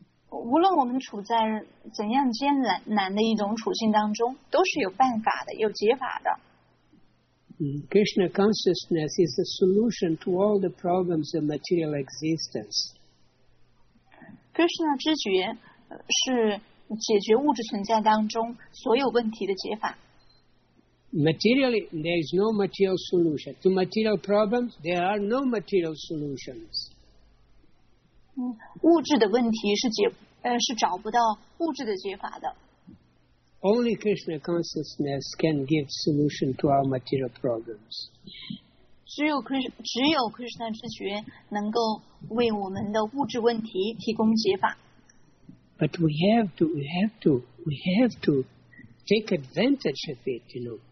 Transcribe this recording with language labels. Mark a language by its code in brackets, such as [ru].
[zh] 无论我们处在怎样艰难的一种处境当中，都是有办法的，有解法的。 [en] Krishna consciousness is the solution to all the problems of material existence. [zh] Krishna 知觉是解决物质存在当中所有问题的解法。 [en] Materially, there is no material solution. To material problems, there are no material solutions. [zh] 物质的问题是找不到物质的解法的。 [en] Only Krishna consciousness can give solution to our material problems. [zh] 只有 Krishna 知觉能够为我们的物质问题提供解法。 [en] But we have to take advantage of it, you know.